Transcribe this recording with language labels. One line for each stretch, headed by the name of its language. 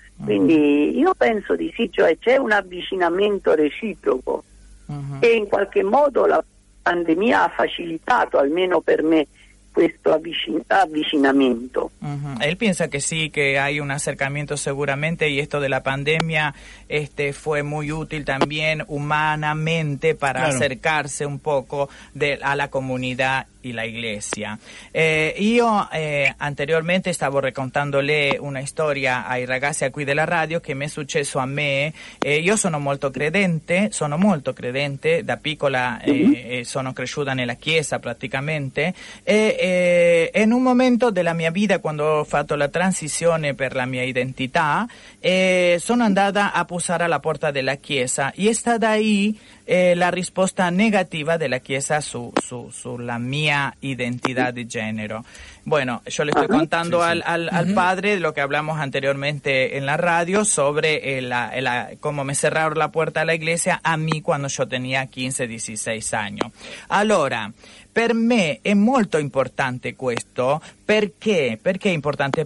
Italian: Quindi io penso di sì, cioè c'è un avvicinamento reciproco e in qualche modo la pandemia ha facilitato, almeno per me, questo avvicinamento.
Spanish: Él piensa que sí, que hay un acercamiento seguramente, y esto de la pandemia fue muy útil también humanamente para acercarse un poco a la comunidad y la Iglesia.
Italian: Io anteriormente stavo raccontandole una storia ai ragazzi qui della radio che mi è successo a me. Io sono molto credente, da piccola sono cresciuta nella chiesa praticamente, e in un momento della mia vita, quando ho fatto la transizione per la mia identità, sono andata a posare alla porta della chiesa, e sta da lì la risposta negativa della Chiesa sulla mia identità di genere.
Spanish: Bueno, yo le estoy contando al padre de lo que hablamos anteriormente en la radio sobre cómo me cerraron la puerta a la iglesia a mí cuando yo tenía 15, 16 años.
Italian: Allora, per me è molto importante questo. Perché? Perché è importante?